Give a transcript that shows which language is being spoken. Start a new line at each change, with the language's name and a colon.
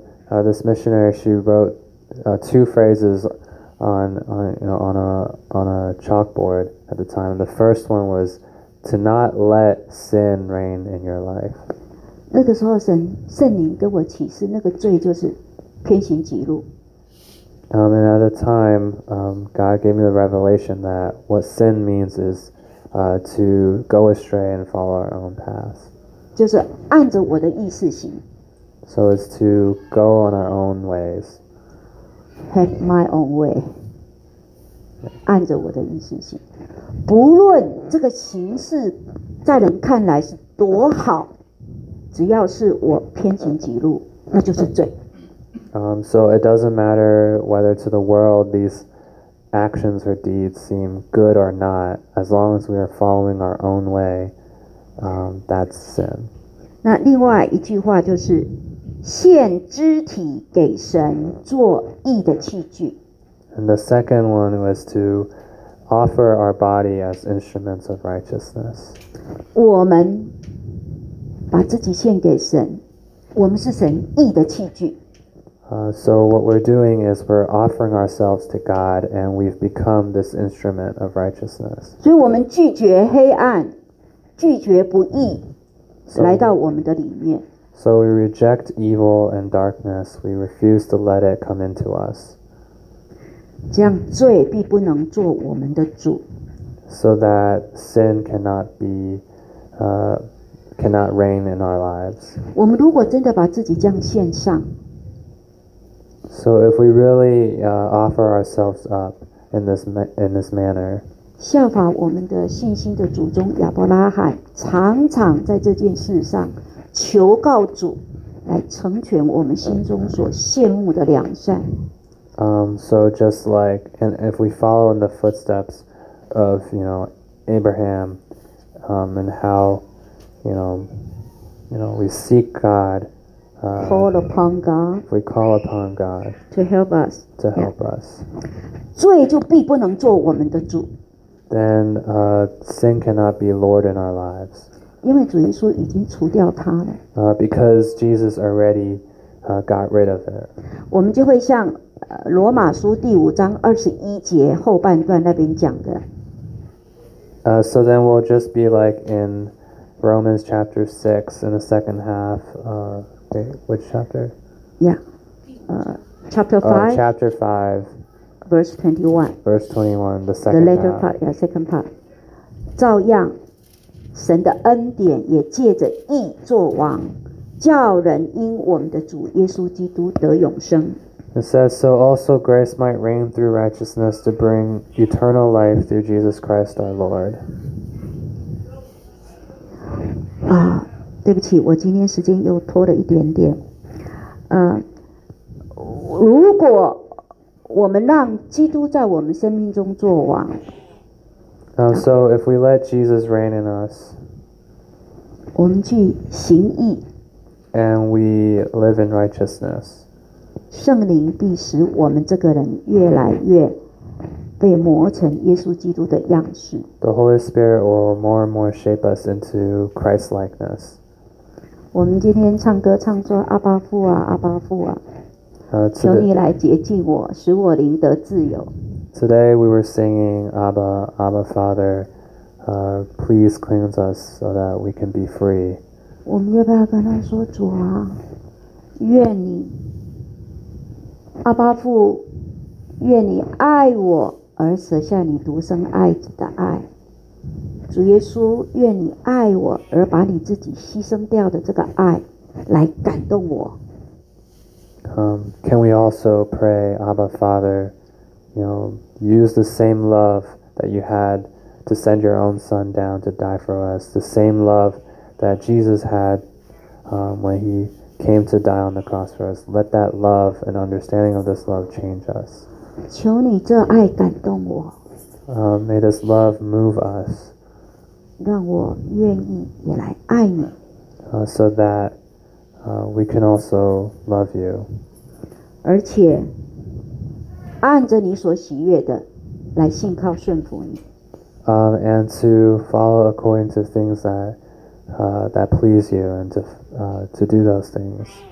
English: This missionary she wrote two phrases on a chalkboard at the time. The first one was to not let sin reign in your life.
Chinese: 那个时候圣灵跟我启示，那个罪就是偏行己路。
English: And at a time, God gave me the revelation that what sin means is to go astray and follow our own path.
Chinese: 就是按着我的意思行。
English: So it's to go on our own ways. Have my own way.
Chinese: 按着我的意思行。不论这个形式在人看来是多好，只要是我偏行己路，那就是罪。
English: So it doesn't matter whether to the world these actions or deeds seem good or not, as long as we are following our own way, that's sin.
Chinese: 那另外一句话就是献肢体给神做义的器具。
English: And the second one was to offer our body as instruments of righteousness.
Chinese: 我们把自己献给神，我们是神义的器具。
English: So what we're doing is we're offering ourselves to God and we've become this instrument of righteousness.
Chinese: 所以我们拒绝黑暗，拒绝不义，来到我们的里面。
English: So we reject evil and darkness. We refuse to let it come into us.
Chinese: 这样罪必不能做我们的主。
English: So that sin cannot be, cannot reign in our lives.
Chinese: 我们如果真的把自己这样献上，
English: So if we really offer ourselves up in this manner,
Chinese: 效法我们的信心的祖宗亚伯拉罕，常常在这件事上求告主，来成全我们心中所羡慕的良善。
English: So just like, and if we follow in the footsteps of, you know, Abraham, and how, you know, we seek God. Call upon God. We call upon God to help us. To help us.
Chinese: 罪就必不能做我们的主。
English: Then sin cannot be Lord in our lives.
Chinese: 因为主耶稣已经除掉他了。
English: Because Jesus already got rid of it.
Chinese: 我们就会像罗马书第五章二十一节后半段那边讲的。
English: So then we'll just be like in Romans chapter 6 in the second half. Which chapter? Yeah. Chapter 5. Oh, chapter 5. Verse 21. Verse 21, the second part. The later half. Part, yeah, second part.
Chinese: 照样神的恩典也借着义作王，叫人因我们的主耶稣基督得永生。
English: It says, so also grace might reign through righteousness to bring eternal life through Jesus Christ our Lord. Ah.
Chinese: 对不起，我今天时间又拖了一点点。如果我们让基督在我们生命中作王，
English: so if we let Jesus reign in us,
Chinese: 我们去行义，
English: and we live in righteousness,
Chinese: 圣灵必使我们这个人越来越被磨成耶稣基督的样式。
English: The Holy Spirit will more and more shape us into Christ likeness.
Chinese: 我们今天唱歌唱说阿爸父啊阿爸父啊求你来洁净我使我灵得自由。
English: Today we were singing Abba, Abba Father, please cleanse us so that we can be free.
Chinese: 我们要不要跟他说主啊愿你阿爸父愿你爱我而舍下你独生爱子的爱。主耶稣，愿你爱我，而把你自己牺牲掉的这个爱，来感动我。
English: Can we also pray, Abba Father, you know, use the same love that you had to send your own son down to die for us, the same love that Jesus had, when he came to die on the cross for us. Let that love and understanding of this love change us.
Chinese: 求你这爱感动我。
English: May this love move us.
Chinese: 让我愿意也来爱你。
English: So that we can also love you.
Chinese: 而且按着你所喜悦的来信靠顺服你。
English: And to follow according to things that, that please you and to do those things.